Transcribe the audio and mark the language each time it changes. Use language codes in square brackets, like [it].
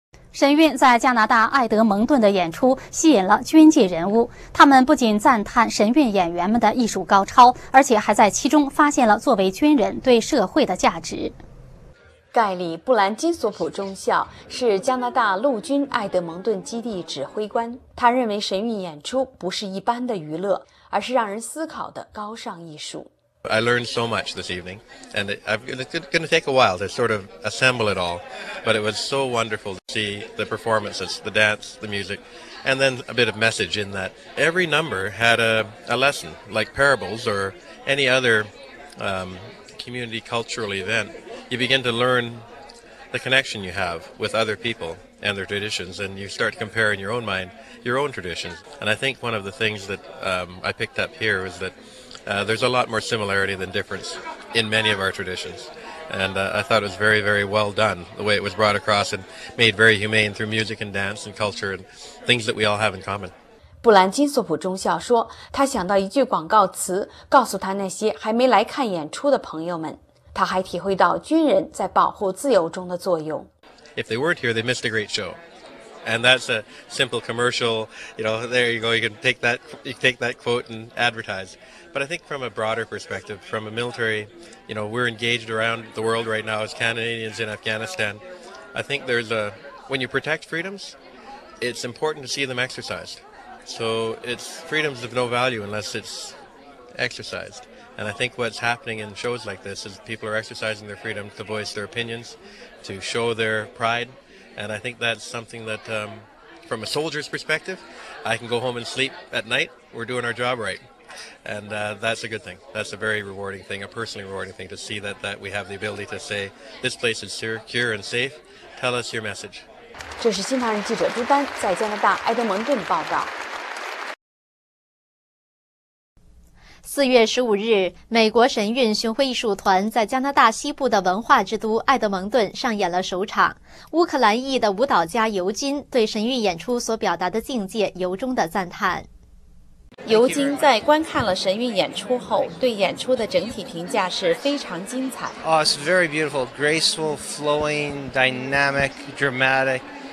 [zh] 神韵在加拿大埃德蒙顿的演出吸引了军界人物，他们不仅赞叹神韵演员们的艺术高超，而且还在其中发现了作为军人对社会的价值。盖里·布兰金索普中校是加拿大陆军埃德蒙顿基地指挥官，他认为神韵演出不是一般的娱乐，而是让人思考的高尚艺术。 [en] I learned so much this evening, and it's going to take a while to sort of assemble it all, but it was so wonderful to see the performances, the dance, the music, and then a bit of message in that every number had a lesson, like parables or any other community cultural event. You begin to learn the connection you have with other people and their traditions, and you start comparing your own mind, your own traditions. And I think one of the things that I picked up here was that there's a lot more similarity than difference in many of our traditions. And I thought it was very, very well done, the way it was brought across and made very humane through music and dance and culture and things that we all have in common. [zh] 布兰金索普中校说，他想到一句广告词，告诉他那些还没来看演出的朋友们。他还体会到军人在保护自由中的作用。 [en] If they weren't here, they missed a great show. And that's a simple commercial, you know, there you go, you can take that quote and advertise. But I think from a broader perspective, from a military, you know, we're engaged around the world right now as Canadians in Afghanistan. I think there's a, when you protect freedoms, it's important to see them exercised. So it's freedoms of no value unless it's exercised. And I think what's happening in shows like this is people are exercising their freedom to voice their opinions, to show their pride. And I think that's something that, from a soldier's perspective, I can go home and sleep at night. We're doing our job right. And that's a good thing. That's a very rewarding thing, a personally rewarding thing, to see that we have the ability to say, this place is secure and safe. Tell us your message. [zh] 这是新唐人记者朱丹在加拿大埃德蒙顿报道。 4月15日，美国神韵巡回艺术团在加拿大西部的文化之都埃德蒙顿上演了首场。乌克兰裔的舞蹈家尤金对神韵演出所表达的境界由衷的赞叹。尤金在观看了神韵演出后，对演出的整体评价是非常精彩。 [en] Oh, it's very beautiful, graceful, flowing, dynamic, dramatic.